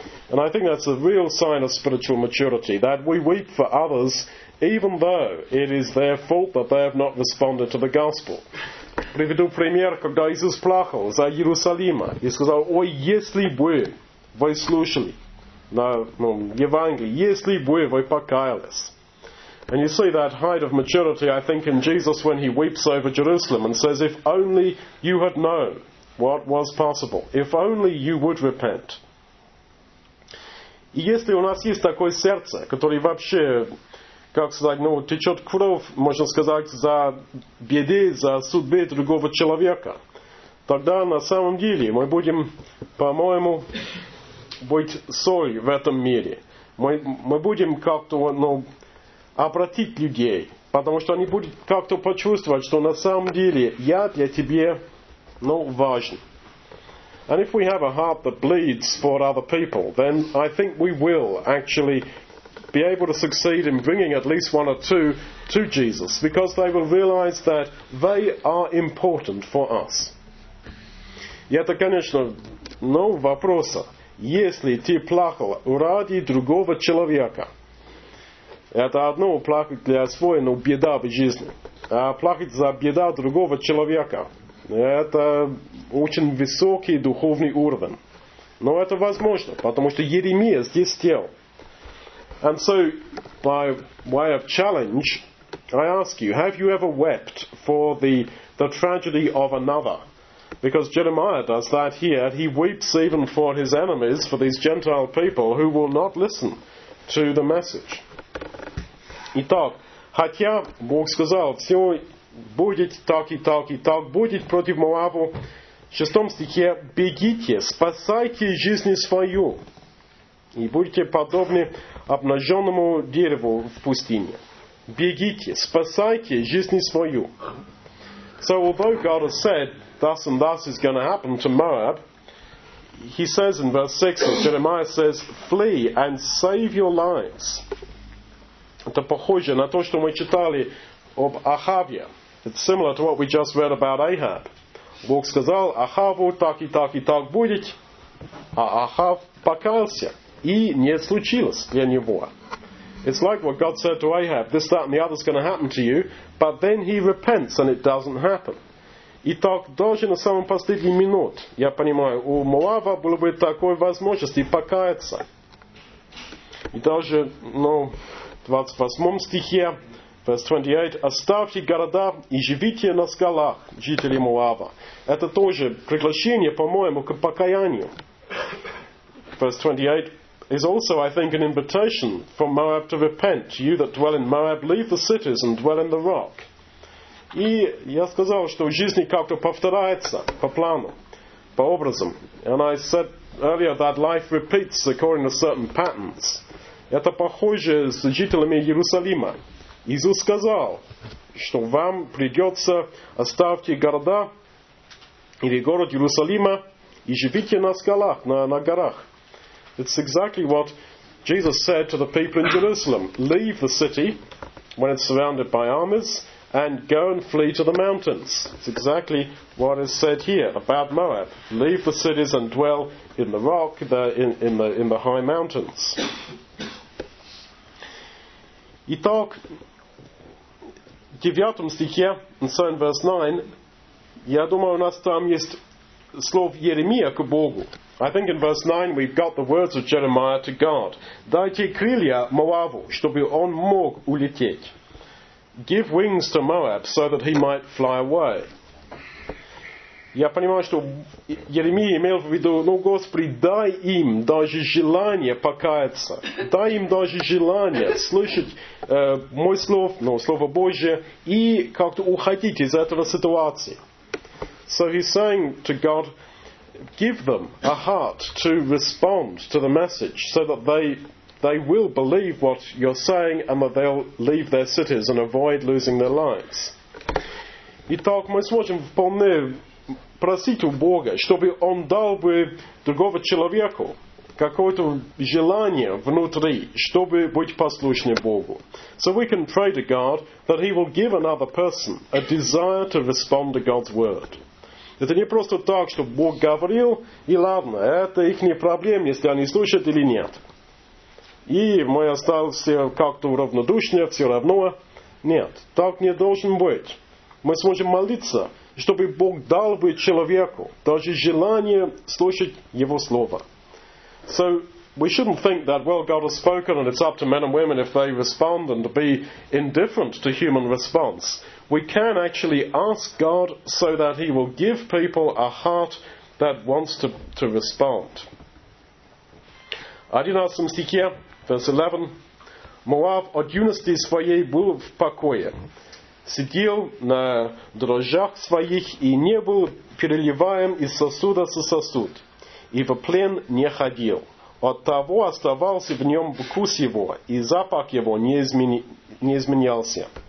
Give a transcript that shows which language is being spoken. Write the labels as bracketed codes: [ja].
[en] And I think that's a real sign of spiritual maturity, that we weep for others, even though it is their fault that they have not responded to the gospel. [ru] Приведу пример, когда Иисус плакал за Иерусалима и сказал, ой, если бы вы слушали на Евангелии, если бы вы покаялись. [en] And you see that height of maturity, I think, in Jesus when he weeps over Jerusalem and says, if only you had known what was possible, if only you would repent. [ru] И если у нас есть такое сердце, которое вообще, как сказать, течет кровь, можно сказать, за беды, за судьбы другого человека, тогда на самом деле мы будем, по-моему, быть солью в этом мире. Мы будем как-то обратить людей, потому что они будут как-то почувствовать, что на самом деле я для тебя важен. [en] And if we have a heart that bleeds for other people, then I think we will actually be able to succeed in bringing at least one or two to Jesus, because they will realize that they are important for us. [ru] И это, конечно, вопроса. Если ты плакал ради другого человека, это одно плакать для своего, но беда в жизни. А плакать за беда другого человека, это очень высокий духовный уровень. Но это возможно, потому что Еремия здесь сделал. [en] And so, by way of challenge, I ask you, have you ever wept for the tragedy of another? Because Jeremiah does that here. He weeps even for his enemies, for these Gentile people who will not listen to the message. [ru] Итак, хотя Бог сказал, все будет так будет против Моаву. В 6 стихе, бегите, спасайте жизнь свою, и будете подобны обнаженному дереву в пустыне. Бегите, спасайте жизнь свою. [en] So although God has said, thus and thus is going to happen to Moab, he says in verse 6, Jeremiah says, flee and save your lives. [ru] Это похоже на то, что мы читали об Ахаве. [en] It's similar to what we just read about Ahab. [ru] Бог сказал Ахаву, так будет, а Ахав покаялся, и не случилось для него. [en] It's like what God said to Ahab, this, that, and the other is going to happen to you, but then he repents and it doesn't happen. [ru] Итак, даже на самом последний минут, я понимаю, у Моава было бы такой возможности покаяться. И даже, 28 стихе, [en] verse 28, [ru] оставьте города и живите на скалах, жители Моава. Это тоже приглашение, по-моему, к покаянию. [en] Verse 28 is also, I think, an invitation from Moab to repent. You that dwell in Moab, leave the cities and dwell in the rock. [ru] И я сказал, что жизнь как-то повторяется по плану, по образам. [en] And I said earlier that life repeats according to certain patterns. [ru] Это похоже с жителями Иерусалима. Иисус сказал, что вам придется оставьте города или город Иерусалима и живите на скалах, на горах. [en] It's exactly what Jesus said to the people in Jerusalem. Leave the city when it's surrounded by armies and go and flee to the mountains. It's exactly what is said here about Moab. Leave the cities and dwell in the rock, in the high mountains. [ru] Итак, в 9 стихе, [en] in verse 9, [ru] я думаю, у нас там есть слов Еремия к Богу. [en] I think in verse 9 we've got the words of Jeremiah to God. [ru] Дайте крылья Моаву, чтобы он мог улететь. [en] Give wings to Moab so that he might fly away. [ru] Я понимаю, что Еремия имел в виду, ну, Господи, дай им даже желание покаяться. Дай им даже желание слышать мой слов, ну, Слово Божие, и как-то уходить из этого ситуации. [en] So he's saying to God, give them a heart to respond to the message so that they will believe what you're saying and that they'll leave their cities and avoid losing their lives. [ru] Итак, мы сможем вполне просить у Бога, чтобы он дал бы другого человеку какое-то желание внутри, чтобы быть послушнее Богу. [en] So we can pray to God that he will give another person a desire to respond to God's word. [ru] Это не просто так, что Бог говорил, и ладно, это их не проблема, если они слушают или нет. И мы остались как-то равнодушны, все равно. Нет, так не должен быть. Мы сможем молиться, чтобы Бог дал бы человеку даже желание слушать Его Слово. [en] So, we shouldn't think that, well, God has spoken and it's up to men and women if they respond and be indifferent to human response. We can actually ask God so that he will give people a heart that wants to respond. [ru] 11 стихе, [en] verse 11. [ru] Моав от юности своей был в покое. Сидел на дрожжах своих и не был переливаем из сосуда со сосуд. И в плен не ходил. Оттого оставался в нем вкус его, и запах его не изменялся.